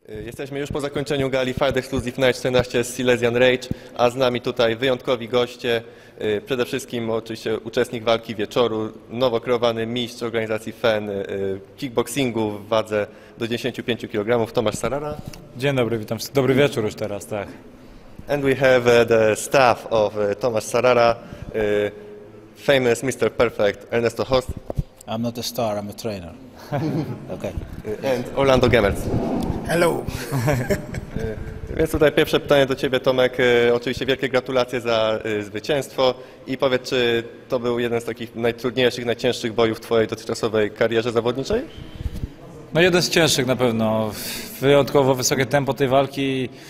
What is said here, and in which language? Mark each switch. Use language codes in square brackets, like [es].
[pl] Jesteśmy już po zakończeniu gali Fight Exclusive Night 14 z Silesian Rage, a z nami tutaj wyjątkowi goście. Przede wszystkim oczywiście uczestnik walki wieczoru, nowo kreowany mistrz organizacji FEN kickboxingu w wadze do 95 kg, Tomasz Sarara. Dzień dobry, witam. Dobry wieczór już teraz, tak. [en] And we have the staff of Tomasz Sarara, famous Mr. Perfect, Ernesto Host. I'm not a star, I'm a trainer. Okay. And Orlando Gemmerz. Hello. [pl] Więc tutaj pierwsze pytanie do Ciebie, Tomek. Oczywiście wielkie gratulacje za zwycięstwo. I powiedz, czy to był jeden z takich najtrudniejszych, najcięższych bojów w Twojej dotychczasowej karierze zawodniczej? No jeden z cięższych na pewno. Wyjątkowo wysokie tempo tej walki.